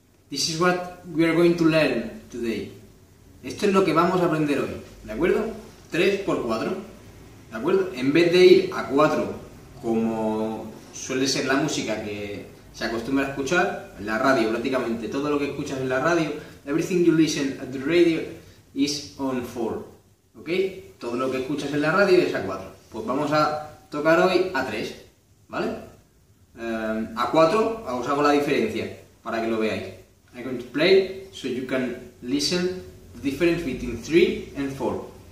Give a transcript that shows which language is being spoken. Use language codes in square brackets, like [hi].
[en] This is what we are going to learn today. [es] Esto es lo que vamos a aprender hoy, ¿de acuerdo? 3x4, ¿de acuerdo? En vez de ir a 4, como suele ser la música que se acostumbra a escuchar, en la radio, prácticamente todo lo que escuchas en la radio, [en] everything you listen at the radio is on 4, [es] ¿ok? Todo lo que escuchas en la radio es a 4. Pues vamos a tocar hoy a 3, ¿vale? A 4, os hago la diferencia para que lo veáis. [en] I'm going to play so you can listen the difference between 3 and 4.